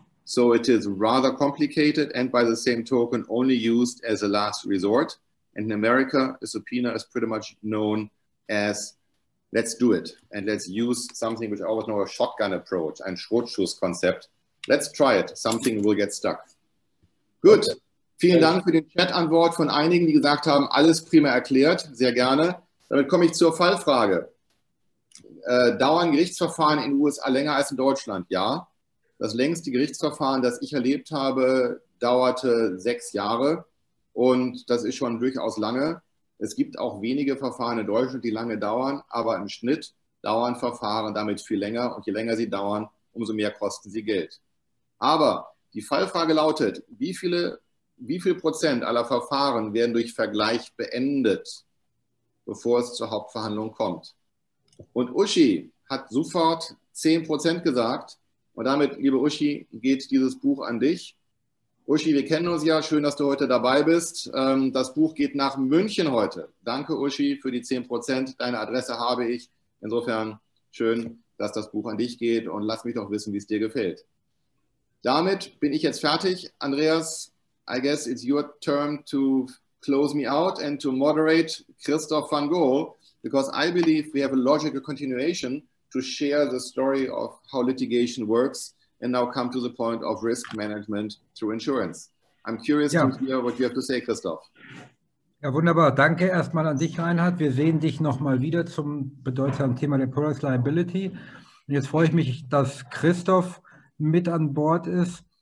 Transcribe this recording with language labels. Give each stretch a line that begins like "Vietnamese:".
English: So it is rather complicated and by the same token only used as a last resort. And in America, a subpoena is pretty much known as let's do it and let's use something which I always know a shotgun approach,
German: ein Schrotschusskonzept.
English: Let's try it. Something will get stuck. Gut. Okay.
German: Vielen Dank für den Chat-Antwort von einigen, die gesagt haben, alles prima erklärt. Sehr gerne. Damit komme ich zur Fallfrage. dauern Gerichtsverfahren in den USA länger als in Deutschland? Ja. Das längste Gerichtsverfahren, das ich erlebt habe, dauerte 6 Jahre. Und das ist schon durchaus lange. Es gibt auch wenige Verfahren in Deutschland, die lange dauern. Aber im Schnitt dauern Verfahren damit viel länger. Und je länger sie dauern, umso mehr kosten sie Geld. Aber die Fallfrage lautet, wie viel Prozent aller Verfahren werden durch Vergleich beendet, bevor es zur Hauptverhandlung kommt? Und Uschi hat sofort 10% gesagt. Und damit, liebe Uschi, geht dieses Buch an dich. Uschi, wir kennen uns ja. Schön, dass du heute dabei bist. Das Buch geht nach München heute. Danke, Uschi, für die 10%. Deine Adresse habe ich. Insofern schön, dass das Buch an dich geht. Und lass mich doch wissen, wie es dir gefällt. Damit bin ich jetzt fertig.
English: Andreas, I guess it's your turn to close me out and to moderate Christoph van Gogh, because I believe we have a logical continuation to share the story of how litigation works and now come to the point of risk management through insurance. I'm curious to hear what you have to say, Christoph.
German: Ja, wunderbar. Danke erstmal an dich, Reinhard. Wir sehen dich nochmal wieder zum bedeutsamen Thema der Products Liability. Und jetzt freue ich mich, dass Christoph mit an Bord ist.